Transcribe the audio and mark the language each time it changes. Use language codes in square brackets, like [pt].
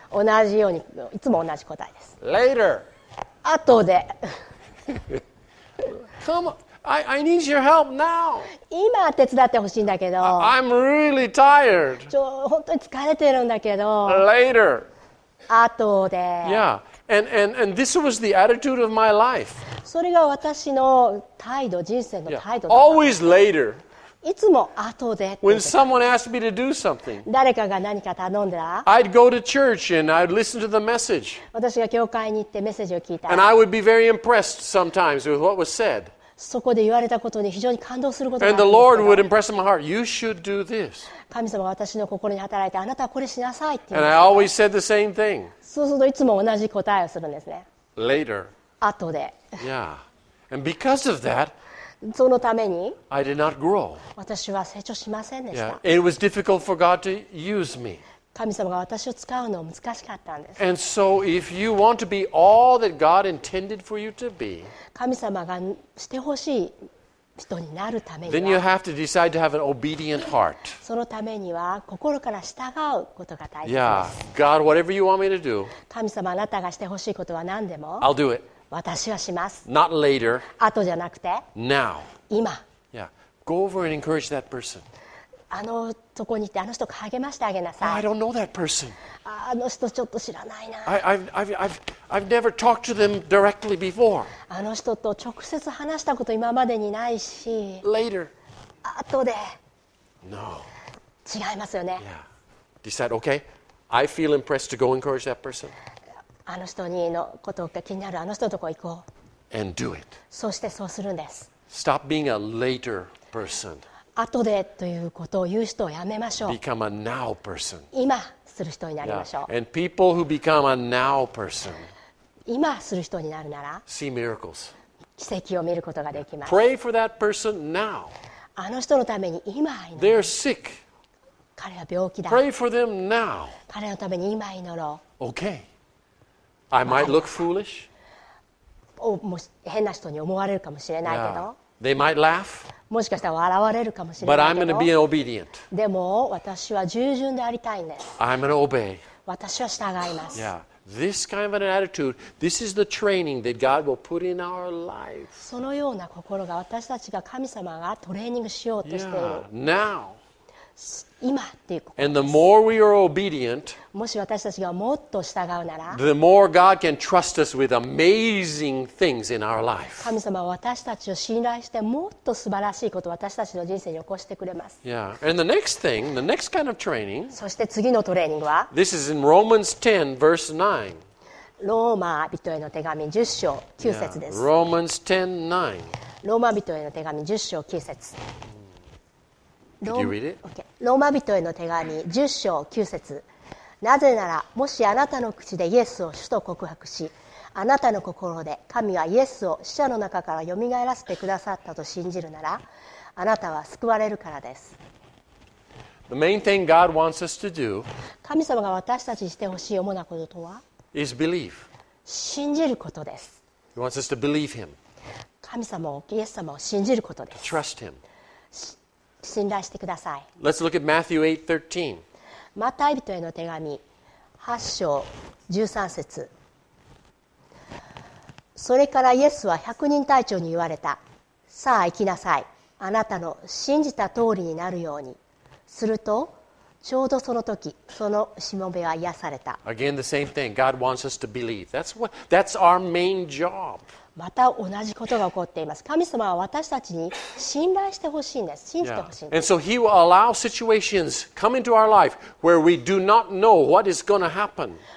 [ja] 同じように、いつも同じ答えです。 [en] Later. [ja] 後で。 [en] Come on. I need your help now. [ja] 今手伝ってほしいんだけど。 [en] I'm really tired. [ja] 本当に疲れてるんだけど。 [en] Later. [ja] 後で。 [en] Yeah. And this was the attitude of my life. [ja] それが私の態度、人生の態度だ。 [en] Yeah, always later. [ja] いつも後で。 [en] When someone asked me to do something, [ja] 誰かが何か頼んだら、 [en] I'd go to church and I'd listen to the message. [ja] 私が教会に行ってメッセージを聞いた。 [en] And I would be very impressed sometimes with what was said. [ja] そこで言われたことに非常に感動することがある。 [en] And the Lord would impress my heart, you should do this. [ja] 神様が私の心に働いて、あなたはこれしなさいって。 [en] And I always said the same thing. [ja] そうするといつも同じ答えをするんですね。 [en] Later. [ja] 後で。 [en] Yeah. And because of that, [ja] そのために、 [en] I did not grow. [ja] 私は成長しませんでした。 [en] Yeah. It was difficult for God to use me. [ja] 神様が私を使うの難しかったんです。 [en] And so if you want to be all that God intended for you to be, [ja] 神様がしてほしい人になるためには、 [en] then you have to decide to have an obedient heart. [ja] そのためには心から従うことが大切です。 [en] Yeah. God, whatever you want me to do, [ja] 神様あなたがしてほしいことは何でも、 [en] I'll do it. [ja] 私はします。 [en] Not later. [ja] 後じゃなくて。 [en] Now. [ja] 今。 [en] Yeah. Go over and encourage that person. [ja] あのとこに行ってあの人を励ましてあげなさい。 [en] Oh, I don't know that person. [ja] あの人ちょっと知らないな。 [en] I've never talked to them directly before. [ja] あの人と直接話したこと今までにないし。 [en] Later. [ja] 後で。 [en] No. [ja] 違いますよね。 [en] Yeah. Decide, okay. I feel impressed to go encourage that person. [ja] あの人にのことが気になるあの人のとこ行こう。 [en] And do it. [ja] そしてそうするんです。 [en] Stop being a later person. [ja] 後でということを言う人をやめましょう。 [en] Become a now person. [ja] 今する人になりましょう。 [en] Yeah. And people who become a now person. [ja] 今する人になるなら、 [en] See miracles. [ja] 奇跡を見ることができます。 [en] Pray for that person now. [ja] あの人のために今祈ろう。 [en] They're sick. [ja] 彼は病気だ。 [en] Pray for them now. [ja] 彼のために今祈ろう。 [en] Okay. I might look foolish. [ja] 変な人に思われるかもしれないけど。 [en] Yeah. They might laugh. [ja] もしかしたら笑われるかもしれないけど。 [en] But I'm going to be an obedient. [ja] でも私は従順でありたいんです。 [en] I'm going to obey. [ja] 私は従います。 [en] Yeah. This kind of an attitude, this is the training that God will put in our life. [ja] そのような心が私たちが神様がトレーニングしようとしている。 [en] Yeah. Now. [ja] 今っていうことです。 [en] And the more we are obedient, [ja] もし私たちがもっと従うなら、 [en] the more God can trust us with amazing things in our life. [ja] 神様は私たちを信頼してもっと素晴らしいことを私たちの人生に起こしてくれます。 [en] Yeah. And the next thing, the next kind of training, [ja] そして次のトレーニングは、 [en] this is in Romans 10, verse 9. [ja] ローマ人への手紙10章9節です。 [en] Yeah. Romans 10, 9. [ja] ローマ人への手紙10章9節。 [en] Did you read it? Okay. [ja] ローマ人への手紙10章9節。なぜならもしあなたの口でイエスを主と告白し、あなたの心で神はイエスを死者の中からよみがえらせてくださったと信じるなら、あなたは救われるからです。 [en] The main thing God wants us to do, [ja] 神様が私たちにしてほしい主なこととは、 [en] is believe. [ja] 信じることです。 [en] He wants us to believe him. [ja] 神様を、イエス様を信じることです。 [en] To trust him. [ja] 信頼してください。 [en] Let's look at Matthew 8:13. [ja] マタイ人への手紙8章13節。それからイエスは百人隊長に言われた。さあ行きなさい。あなたの信じた通りになるように。すると、ちょうどその時、そのしもべは癒された。 [en] Again, the same thing. God wants us to believe. That's our main job. [ja] また同じことが起こっています。神様は私たちに信頼してほしいんです。信じてほしいんです。Yeah. [en] And so He will allow situations come into our life where we do not know what is going to happen.